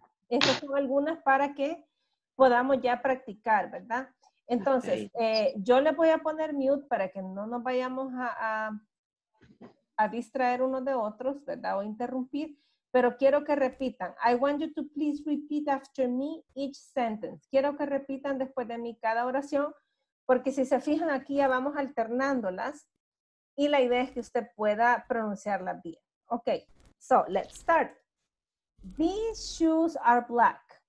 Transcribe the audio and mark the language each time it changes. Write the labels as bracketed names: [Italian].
[Spanish] Estas son algunas para que podamos ya practicar, ¿verdad? Entonces, yo le voy a poner mute para que no nos vayamos a distraer unos de otros, ¿verdad? O interrumpir. Pero quiero que repitan. [English] I want you to please repeat after me each sentence. [Spanish] Quiero que repitan después de mí cada oración, porque si se fijan aquí ya vamos alternándolas. Y la idea es que usted pueda pronunciarla bien. [English] Okay, so let's start. These shoes are black.